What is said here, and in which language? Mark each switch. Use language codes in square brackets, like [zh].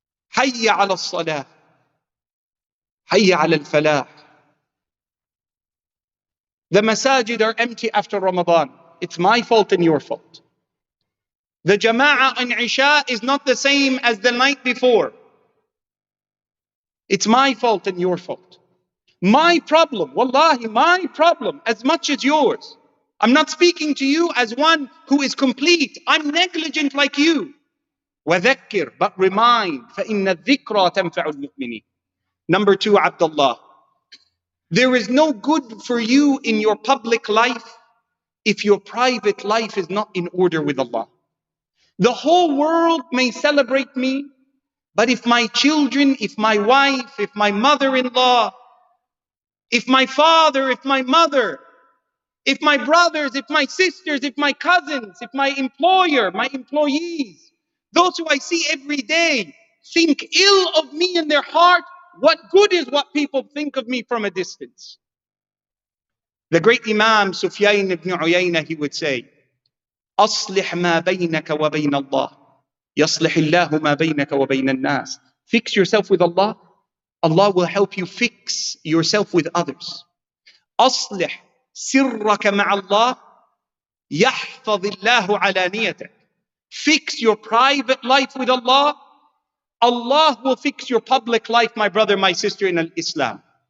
[ar] حي على الصلاة حي على الفلاح. [en] The masajid are empty after Ramadan. It's my fault and your fault. The jama'ah in Isha is not the same as the night before. It's my fault and your fault. My problem, wallahi, my problem as much as yours. I'm not speaking to you as one who is complete. I'm negligent like you. [ar] وَذَكِّرْ, [en] but remind, [ar] فَإِنَّ الذِّكْرَ تَنْفَعُ الْمُؤْمِنِينَ. [en] Number two, Abdullah. There is no good for you in your public life if your private life is not in order with Allah. The whole world may celebrate me, but if my children, if my wife, if my mother-in-law, if my father, if my mother, if my brothers, if my sisters, if my cousins, if my employer, my employees, those who I see every day think ill of me in their heart, what good is what people think of me from a distance? The great Imam Sufyan ibn Uyayna, he would say, [ar] أصلح ما بينك وبين الله يصلح الله ما بينك وبين الناس. [en] Fix yourself with Allah, Allah will help you fix yourself with others. [ar] أصلح سرك مع الله يحفظ الله علانيتك. [en] Fix your private life with Allah. Allah will fix your public life, my brother, my sister, in Islam.